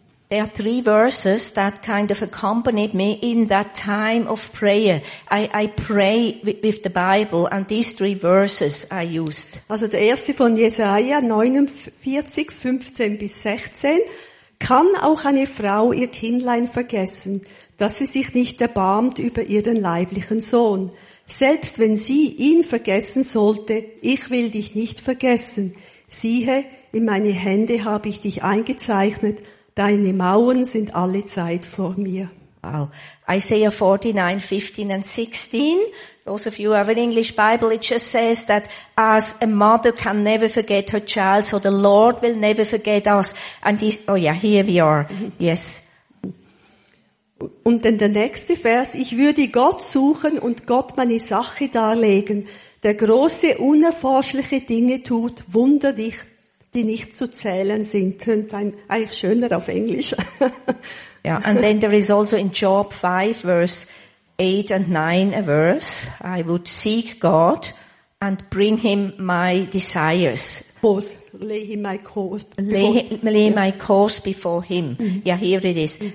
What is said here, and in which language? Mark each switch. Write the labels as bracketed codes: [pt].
[en] There are three verses that kind of accompanied me in that time of prayer. I pray with the Bible, and these three verses I used. [de] Also der erste von Jesaja 49, 15 bis 16. Kann auch eine Frau ihr Kindlein vergessen, dass sie sich nicht erbarmt über ihren leiblichen Sohn? Selbst wenn sie ihn vergessen sollte, ich will dich nicht vergessen. Siehe, in meine Hände habe ich dich eingezeichnet, deine Mauern sind alle Zeit vor mir. [en] Wow. Isaiah 49, 15 and 16. Those of you who have an English Bible, it just says that as a mother can never forget her child, so the Lord will never forget us. And here we are. Yes. [de] Und dann der nächste Vers. Ich würde Gott suchen und Gott meine Sache darlegen, der große, unerforschliche Dinge tut, Wunder nicht, die nicht zu zählen sind. Tönt eigentlich schöner auf Englisch. [en] Ja, yeah, and then there is also in Job 5, verse 8 and 9 a verse. I would seek God and bring him my desires. Lay my cause before him. Mm-hmm. Yeah, here it is. Mm-hmm.